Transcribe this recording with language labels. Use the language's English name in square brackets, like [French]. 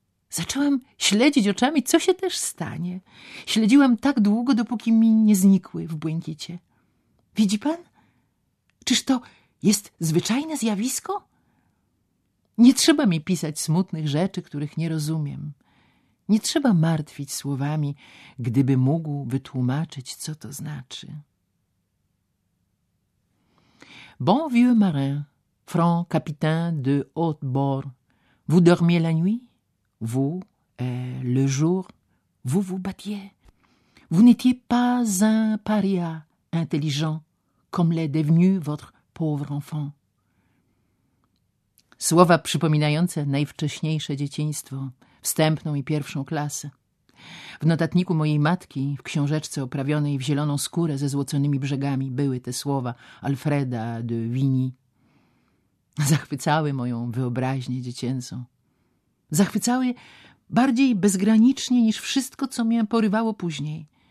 [Polish] Zaczęłam śledzić oczami, co się też stanie. Śledziłam tak długo, dopóki mi nie znikły w błękicie. Widzi pan? Czyż to jest zwyczajne zjawisko? Nie trzeba mi pisać smutnych rzeczy, których nie rozumiem. Nie trzeba martwić słowami, gdyby mógł wytłumaczyć, co to znaczy. [French] Bon vieux marin, franc capitaine de haute bord, vous dormiez la nuit? Vous, le jour, vous vous battiez. Vous n'étiez pas un paria intelligent, comme l'est devenu votre pauvre enfant. [Polish] Słowa przypominające najwcześniejsze dzieciństwo, wstępną i pierwszą klasę. W notatniku mojej matki, w książeczce oprawionej w zieloną skórę ze złoconymi brzegami, były te słowa Alfreda de Vigny. Zachwycały moją wyobraźnię dziecięcą. Zachwycały bardziej bezgranicznie niż wszystko, co mnie porywało później.